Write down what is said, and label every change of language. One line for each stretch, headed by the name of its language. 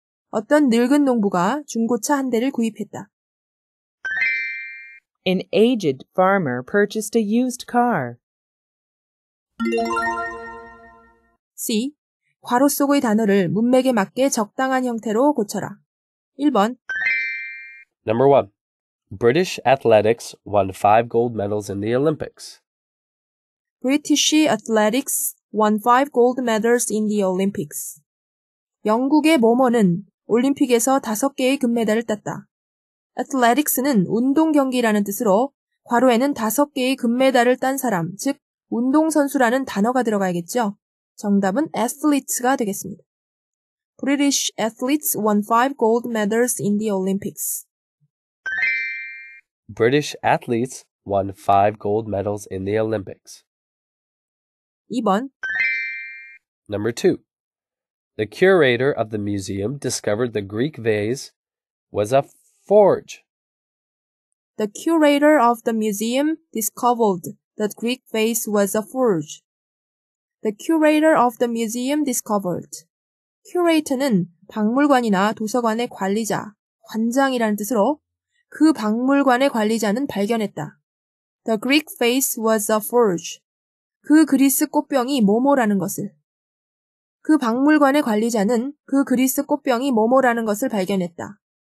Korean: 어떤 늙은 농부가 중고차 한 대를 구입했다.
English: An aged farmer purchased a used car. C.
Korean: 괄호 속의 단어를 문맥에 맞게 적당한 형태로 고쳐라. 1번.
English: Number 1. British athletics won 5 gold medals in the Olympics. British athletics won 5 gold medals in the Olympics.
Korean: 영국의 뭐뭐는 올림픽에서 5개의 금메달을 땄다. Athletics는 운동 경기라는 뜻으로 괄호에는 5개의 금메달을 딴 사람, 즉 운동선수라는 단어가 들어가야겠죠? 정답은 athletes가 되겠습니다.
English: British athletes won 5 gold medals in the Olympics. British athletes won 5 gold medals in the Olympics.
Korean: 2번.
English: Number 2. The curator of the museum discovered the Greek vase was a forge. The curator of the museum discovered that Greek vase was a forge. The curator of the museum discovered.
Korean: Curator는 박물관이나 도서관의 관리자, 관장이라는 뜻으로 그 박물관의 관리자는 발견했다.
English: The Greek vase was a forge.
Korean: 그 그리스 꽃병이 뭐뭐라는 것을. 그 박물관의 관리자는 그 그리스 꽃병이 뭐뭐라는 것을 발견했다.